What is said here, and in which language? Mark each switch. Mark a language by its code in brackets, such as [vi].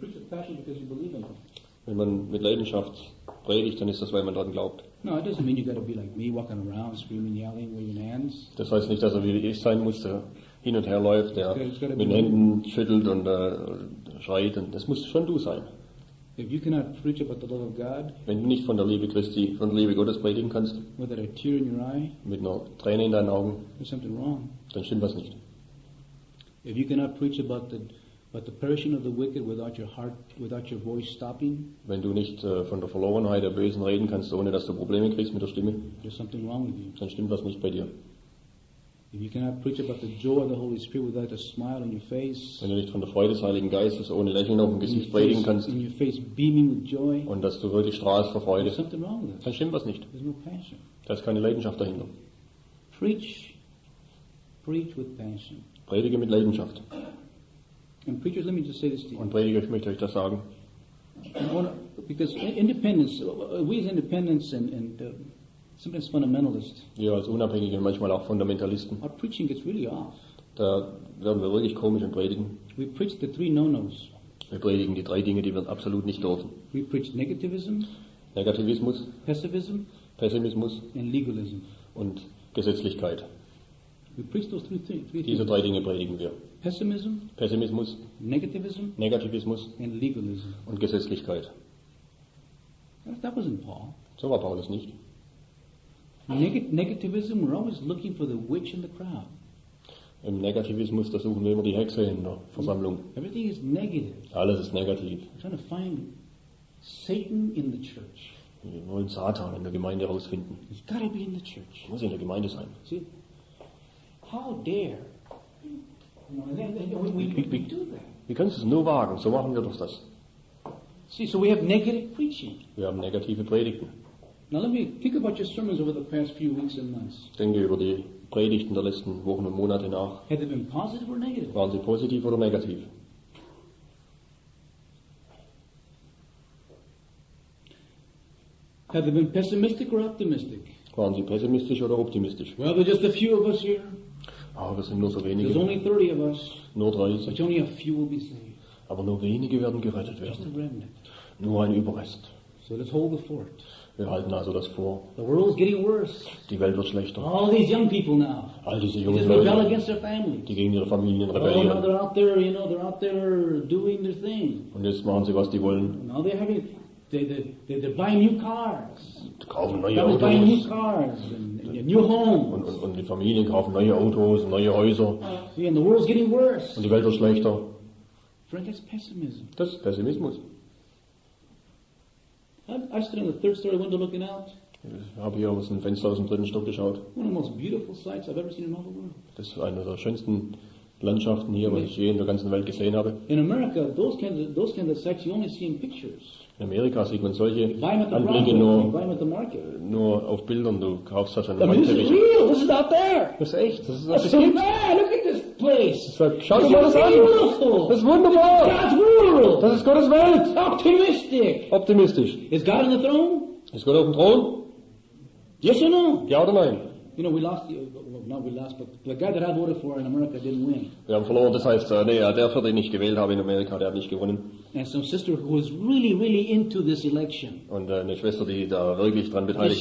[de] Wenn man mit Leidenschaft predigt, dann ist das, weil man daran glaubt. Das heißt nicht, dass er wie ich sein musste, hin und her läuft, der mit den Händen schüttelt und schreit. Und das musst schon du sein. [en] If you cannot preach about the love of God, [de] wenn du nicht von der Liebe Christi, von der Liebe Gottes predigen kannst, [en] with a tear in your eye, [de] mit einer Träne in deinen Augen, [en] there's something wrong. [de] Dann stimmt was nicht. [en] If you cannot preach about the perishing of the wicked without your heart, without your voice stopping, [de] wenn du nicht von der Verlorenheit der Bösen reden kannst, ohne dass du Probleme kriegst mit der Stimme, [en] there's something wrong with you. [de] Dann stimmt was nicht bei dir. [en] And you cannot preach about the joy of the Holy Spirit without a smile on your face. [de] Wenn du nicht von der Freude des Heiligen Geistes ohne Lächeln auf dem Gesicht predigen kannst. [en] In your face beaming with joy. [de] Und dass du wirklich strahlst vor Freude. [en] There's something wrong with it. [de] Dann stimmt was nicht. [en] There's no passion. [de] Da ist keine Leidenschaft dahinter. [en] Preach with passion. [de] Predige mit Leidenschaft. [en] And preachers, let me just say this to you. [de] Und Prediger, ich möchte euch das sagen. [en] Because independence, we as independents and sometimes fundamentalists. [de] Ja, als Unabhängige, manchmal auch Fundamentalisten. [en] Our preaching gets really off. [de] Da werden wir wirklich komisch und predigen. [en] We preach the three no-nos. [de] Wir predigen die drei Dinge, die wir absolut nicht dürfen. [en] We preach negativism. [de] Negativismus. [en] Pessimism. [de] Pessimismus. [en] And legalism. [de] Und Gesetzlichkeit. [en] We preach those three [de] diese drei Dinge predigen wir. [en] Pessimism. [de] Pessimismus. [en] Negativism. [de] Negativismus. [en] And legalism. [de] Und Gesetzlichkeit. [en] That wasn't Paul. [de] So war Paulus nicht. [en] Negativism, we're always looking for the witch in the crowd. [de] Im Negativismus, da suchen wir immer die Hexe in der Versammlung. [en] Everything is negative. [de] Alles ist negativ. [en] We're trying to find Satan in the church. [de] Wir wollen Satan in der Gemeinde herausfinden. [en] He's got to be in the church. [de] Muss in der Gemeinde sein. [en] See? How dare? [de] Wie kannst du es nur wagen? So machen wir doch das. [en] See, so we have negative preaching. [de] Wir haben negative Predigten. [en] Now let me think about your sermons over the past few weeks and months. [de] Denke über die Predigten der letzten Wochen und Monate nach. [en] Have they been positive or negative? [de] Waren sie positiv oder negativ? [en] Have they been pessimistic or optimistic? [de] Waren sie pessimistisch oder optimistisch? [en] Well, there are just a few of us here. [de] Aber es sind nur so wenige. [en] There's only 30 of us. [de] Nur 30. [en] But only a few will be saved. [de] Aber nur wenige werden gerettet werden. [en] Just a remnant. [de] Nur ein Überrest. [en] So let's hold the fort. [de] Wir halten also das vor. [en] The world's getting worse. [de] Die Welt wird schlechter. [en] All these young people now. [de] All diese jungen Leute. [en] They rebel against their families. [de] Die gegen ihre Familien rebellieren. [en] Oh, they're out there, you know, they're out there doing their thing. [de] Und jetzt machen sie was die wollen. [en] Now they're having, they buy new cars. [de] Die kaufen neue Autos. [en] They buy new cars and new homes. [de] Und die Familien kaufen neue Autos und neue Häuser. [en] See, and the world's getting worse. [de] Und die Welt wird schlechter. [en] Friend, that's pessimism. [de] Das ist Pessimismus. [en] I stood in the third story window looking out. [de] Ich habe hier aus dem Fenster aus dem dritten Stock geschaut. [en] One of the most beautiful sights I've ever seen in all the world. [de] Das ist eine der schönsten Landschaften hier, was ich je in der ganzen Welt gesehen habe. [en] In America, those kind of sights you only see in pictures. [de] In Amerika sieht man solche Anblicke nur auf Bildern. Du kaufst das an der Wand. [en] This is real. This is out there. [de] Das ist echt. Das ist [en] so mad. Look at this place. [de] Schau dir mal das an. Das ist wunderbar. [en] God's world. [de] Das ist Gottes Welt. Optimistisch. [en] Is God on the throne? [de] Ist Gott auf dem Thron? [en] Yes or no? [de] Ja oder nein? [en] You know, we lost the, well, not we lost, but the guy that I voted for in America didn't win. [de] Wir haben verloren, das heißt, der, für den ich gewählt habe in Amerika, der hat nicht gewonnen. [en] And some sister who was really, really into this election. [de] Und eine Schwester, die da wirklich dran beteiligt